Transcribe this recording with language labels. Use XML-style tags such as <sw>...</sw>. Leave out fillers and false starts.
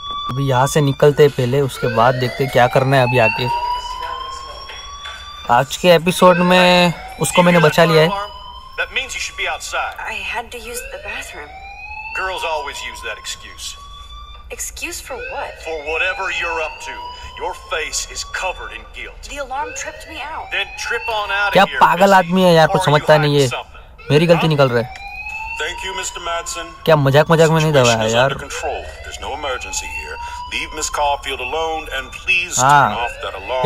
<hi>अभी यहाँ से निकलते पहले, उसके बाद देखते क्या करना है अभी आके। आज के एपिसोड में उसको मैंने बचा लिया है।</hi> <en>That means you should be outside. I had to use the bathroom. Girls always use that excuse. Excuse for what? For whatever you're up to. Your face is covered in guilt. The alarm tripped me out. Then trip on out of here.</en> <hi>क्या पागल आदमी है यार, कुछ समझता नहीं है। मेरी गलती निकल रहा है।</hi> <en>Thank you, Mr. Madsen.</en> <hi>क्या मजाक मजाक में नहीं दबाया यार।</hi> <en>There's no emergency here. Leave Miss Caulfield alone and please turn off that alarm.</en>